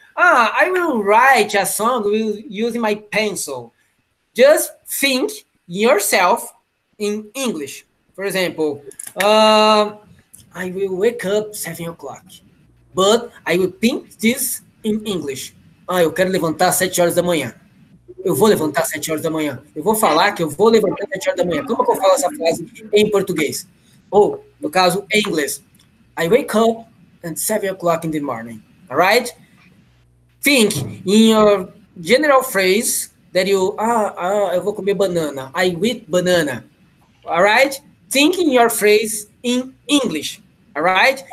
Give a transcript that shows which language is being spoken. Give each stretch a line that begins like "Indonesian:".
English: Ah, I will write a song using my pencil. Just think yourself in English. For example, I will wake up 7 o'clock, but I will think this in English.
Portuguese: Ah, eu quero levantar às 7 horas da manhã. Eu vou levantar às 7 horas da manhã. Eu vou falar que eu vou levantar às 7 horas da manhã. Como que eu falo essa frase em português? Ou, no caso, em inglês.
English: I wake up at 7 o'clock in the morning. All right? Think in your general phrase that you,
Portuguese: eu vou comer banana.
English: I eat banana. All right? Think in your phrase in English. All right?